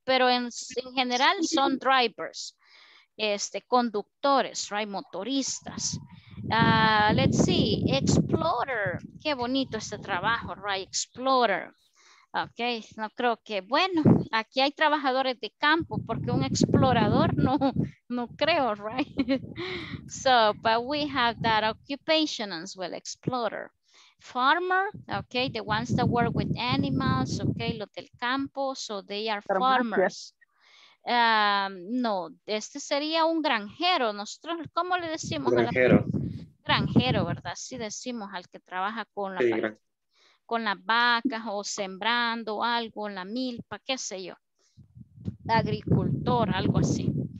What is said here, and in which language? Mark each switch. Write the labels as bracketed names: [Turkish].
[Spanish] Pero en general son drivers, conductores, right? Motoristas. [English] Let's see, explorer, [Spanish] qué bonito este trabajo, [English] right? Explorer. [Spanish] Ok, no creo que, bueno, aquí hay trabajadores de campo, porque un explorador no, no creo, right? [English] So, but we have that occupation as well, explorer. Farmer, ok, the ones that work with animals, ok, [Spanish] los del campo, [English] so they are farmers. [Spanish] No, este sería un granjero, nosotros, ¿cómo le decimos? Granjero. Granjero, ¿verdad? Sí decimos al que trabaja con la con las vacas o sembrando algo, la milpa, qué sé yo, agricultor, algo así.